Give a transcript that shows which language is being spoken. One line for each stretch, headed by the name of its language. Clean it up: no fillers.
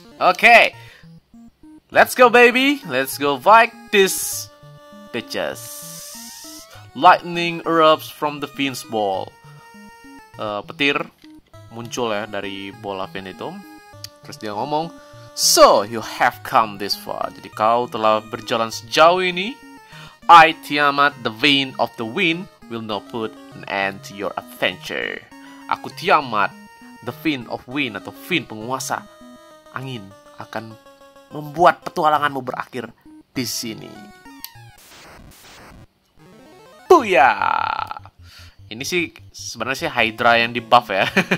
English: Okay, let's go baby, let's go fight this bitches. Lightning erupts from the Fiend's ball.
Indonesian: Petir muncul ya dari bola Fiend itu. Terus dia ngomong,
English: so you have come this far.
Indonesian: Jadi kau telah berjalan sejauh ini.
English: I Tiamat, the Fiend of the Wind, will not put an end to your adventure.
Indonesian: Aku Tiamat, the Fiend of Wind atau Fiend penguasa angin, akan membuat petualanganmu berakhir di sini. Buya. Ini sih sebenarnya sih Hydra yang di-buff ya.